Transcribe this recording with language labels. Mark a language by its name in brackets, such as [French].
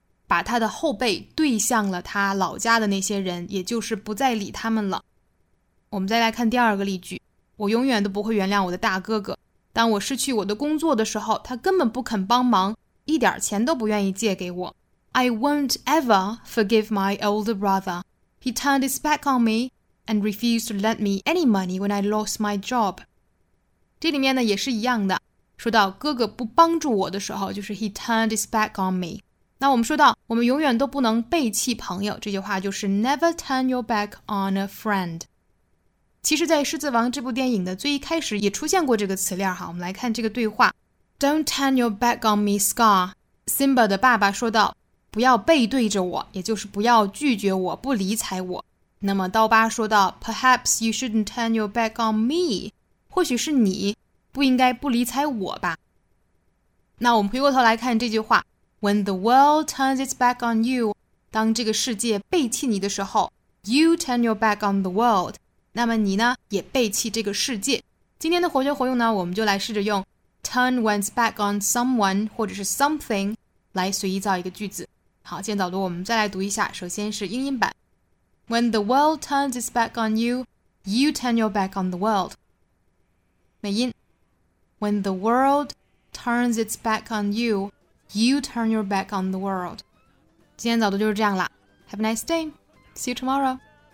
[Chinese] 把他的后背对向了他老家的那些人，也就是不再理他们了。我们再来看第二个例句，我永远都不会原谅我的大哥哥，当我失去我的工作的时候，他根本不肯帮忙，一点钱都不愿意借给我。 [English] I won't ever forgive my older brother. He turned his back on me and refused to lend me any money when I lost my job. [Chinese] 这里面呢也是一样的，说到哥哥不帮助我的时候，就是 [English] he turned his back on me。 [Chinese] 那我们说到我们永远都不能背弃朋友，这句话就是 [English] never turn your back on a friend。 [Chinese] 其实在《狮子王》这部电影的最一开始也出现过这个词链哈，我们来看这个对话。 [English] Don't turn your back on me, Scar. [Chinese] Simba 的爸爸说道，不要背对着我，也就是不要拒绝我，不理睬我。那么刀疤说道， [English] Perhaps you shouldn't turn your back on me. [Chinese] 或许是你不应该不理睬我吧。 [English] 那我们回过头来看这句话， When the world turns its back on you, [Chinese] 当这个世界背弃你的时候， [English] You turn your back on the world. [Chinese] 那么你呢也背弃这个世界。今天的活学活用呢，我们就来试着用 [English] turn one's back on someone [Chinese] 或者是 something 来随意造一个句子。好，先导读我们再来读一下，首先是英音版。 [English] When the world turns its back on you, you turn your back on the world. [Chinese] 美音。 [English] When the world turns its back on you, you turn your back on the world. [Chinese] 今天导读就是这样啦。 [English] Have a nice day. See you tomorrow.